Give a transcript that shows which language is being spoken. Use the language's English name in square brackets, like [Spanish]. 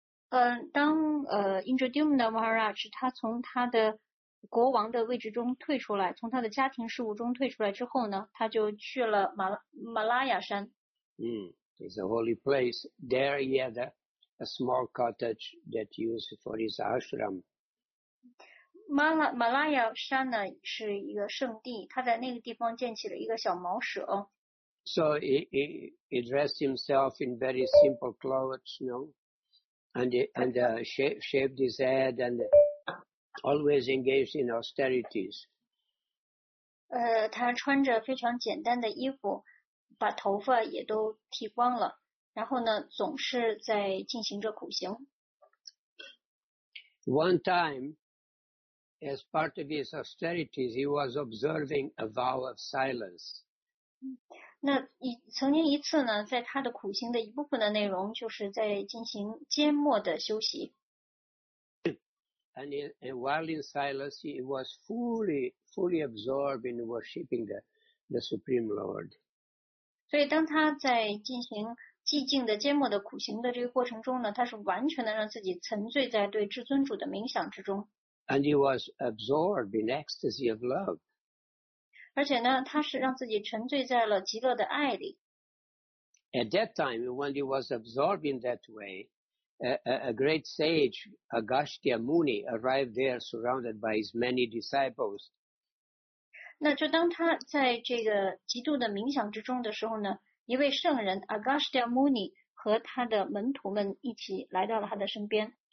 [Chinese] 当Indradyumna Maharaj 他从他的国王的位置中退出来，从他的家庭事务中退出来之后呢，他就去了马拉雅山。 [English] It's a holy place. There he had a small cottage that he used for his ashram. [Chinese] 马拉雅山呢是一个圣地，他在那个地方建起了一个小茅舍。 [English] So he dressed himself in very simple clothes, you know, and shaved his head and always engaged in austerities. [Chinese] 他穿着非常简单的衣服，把头发也都剃光了，然后呢，总是在进行着苦行。 [English] One time, as part of his austerities, he was observing a vow of silence. [Chinese] 那曾经一次呢，在他的苦行的一部分的内容，就是在进行缄默的休息。 [English] And while in silence, he was fully absorbed in worshipping the Supreme Lord. [Chinese] 所以当他在进行寂静的缄默的苦行的这个过程中呢，他是完全的让自己沉醉在对至尊主的冥想之中。 [English] And he was absorbed in ecstasy of love. [Chinese] 而且呢，他是让自己沉醉在了极乐的爱里。 [English] At that time, when he was absorbed in that way, A great sage, Agastya Muni, arrived there surrounded by his many disciples. [Chinese] 那就当他在这个极度的冥想之中的时候呢，一位圣人 Agastya Muni 和他的门徒们一起来到了他的身边。